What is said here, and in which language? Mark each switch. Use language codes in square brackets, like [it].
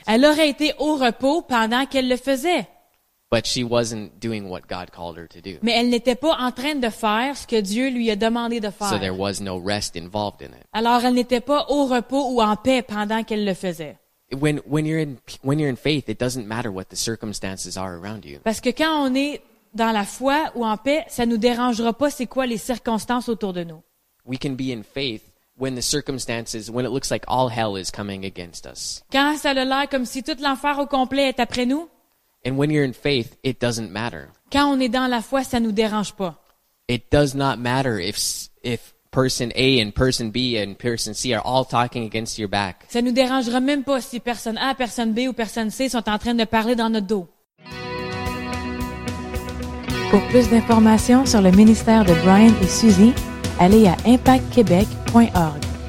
[fr] Elle aurait été au repos pendant qu'elle le faisait. [en] But she wasn't doing what God called her to do. [fr] Mais elle n'était pas en train de faire ce que Dieu lui a demandé de faire. [en] So there was no rest involved in it. [fr] Alors elle n'était pas au repos ou en paix pendant qu'elle le faisait. [en] When you're in faith, it doesn't matter what the circumstances are around you. [fr] Parce que quand on est dans la foi ou en paix, ça ne nous dérangera pas c'est quoi les circonstances autour de nous. [en] We can be in faith when the circumstances, when it looks like all hell is coming against us. [fr] Quand ça a l'air comme si tout l'enfer au complet est après nous. [en] And when you're in faith, it doesn't matter. [fr] Quand on est dans la foi, ça ne nous dérange pas. [en] It does not matter if person A and person B and person C are all talking against your back. [fr] Ça ne nous dérangera même pas si personne A, personne B ou personne C sont en train de parler dans notre dos. Pour plus d'informations sur le ministère de Brian et Suzy, allez à impactquebec.org.